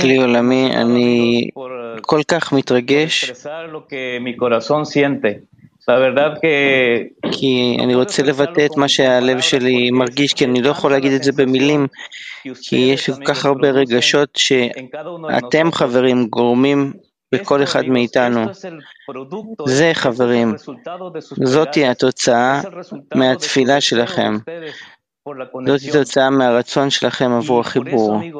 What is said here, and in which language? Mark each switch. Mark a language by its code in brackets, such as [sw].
[he] כלי עולמי, אני כל כך מתרגש. [es] Expresar lo que mi corazón siente. La verdad que [he] כי אני רוצה לבטא את מה שהלב שלי מרגיש, כי אני לא יכול להגיד את זה במילים, כי יש כל כך הרבה רגשות שאתם חברים גורמים בכל אחד מאיתנו. זה חברים, זאת היא התוצאה מהתפילה שלכם, זאת היא התוצאה מהרצון שלכם עבור החיבור.